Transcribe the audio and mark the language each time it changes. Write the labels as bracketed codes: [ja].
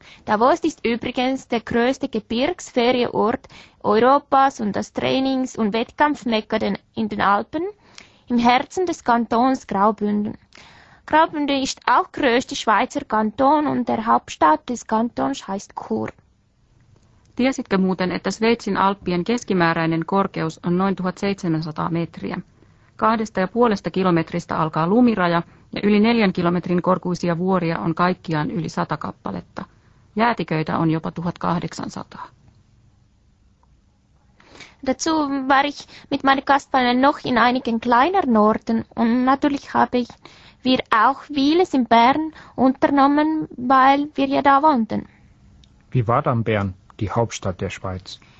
[de] Davos ist übrigens der größte Gebirgsferienort Europas und das Trainings- und Wettkampfmekka in den Alpen im Herzen des Kantons Graubünden. Graubünden ist auch größter Schweizer Kanton und der Hauptstadt des Kantons heißt Chur. [fi] Tiesitkö muuten, että Sveitsin Alppien keskimääräinen korkeus on noin 1700 metriä? 2,5 kilometristä alkaa lumiraja ja yli 4 kilometrin korkuisia vuoria on kaikkiaan yli 100 kappaletta. Jäätiköitä on jopa 1800. [de] Dazu war ich mit meinen Gastfreunden noch in einigen kleineren Orten und natürlich habe ich wir auch vieles in Bern unternommen, weil wir ja da wohnten. Wie war dann Bern, die Hauptstadt der Schweiz?